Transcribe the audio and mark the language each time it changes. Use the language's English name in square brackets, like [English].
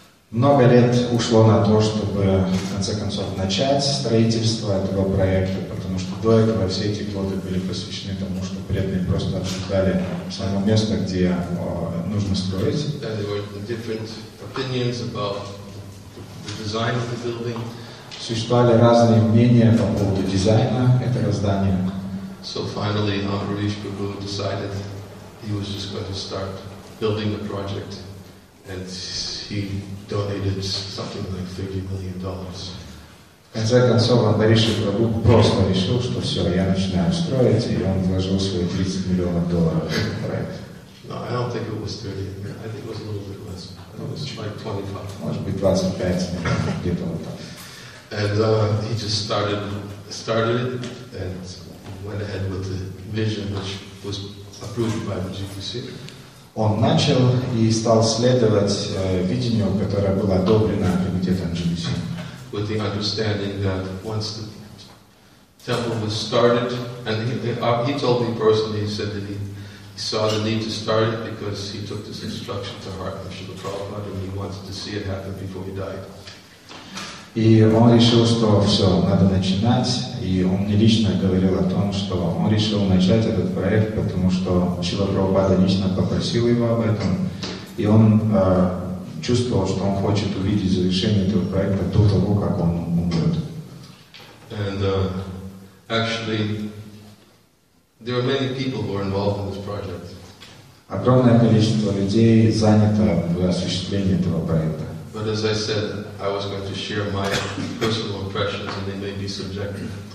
[Russian] Много лет ушло на то, чтобы в конце концов начать строительство этого проекта, потому что до этого все эти годы были посвящены тому, что преданные просто обсуждали само место, где нужно строить. [English] And there were different opinions about the design of the building. [Russian] Существовали разные мнения по поводу дизайна этого здания. [English] So finally, Ambarish Prabhu decided he was just going to start building the project. And he donated something like $30 million. [Russian] В конце концов, Ambarish Prabhu просто решил, что все, я начинаю строить, и он вложил свои $30 миллионов в этот проект. [English] No, I don't think it was 30. I think it was a little bit less. It was like 25. [Russian] Может быть, 25 миллионов, где-то вот так. [English] And he just started it and went ahead with the vision which was approved by the GPC. [Russian] Он начал и стал следовать видению, которое было одобрено комитетом GPC. [English] With the understanding that once the temple was started, and he told me personally, he said that he saw the need to start it because he took this instruction to heart from Srila Prabhupada and he wanted to see it happen before he died. [Russian] И он решил, что все, надо начинать. И он мне лично говорил о том, что он решил начать этот проект, потому что Шрила Прабхупада лично попросил его об этом. И он чувствовал, что он хочет увидеть завершение этого проекта до того, как он умрет. [English] And actually, there are many people who are involved in this project. [Russian] Огромное количество людей занято в осуществлении этого проекта. [English] But as I said, I was going to share my personal impressions, and they may be subjective.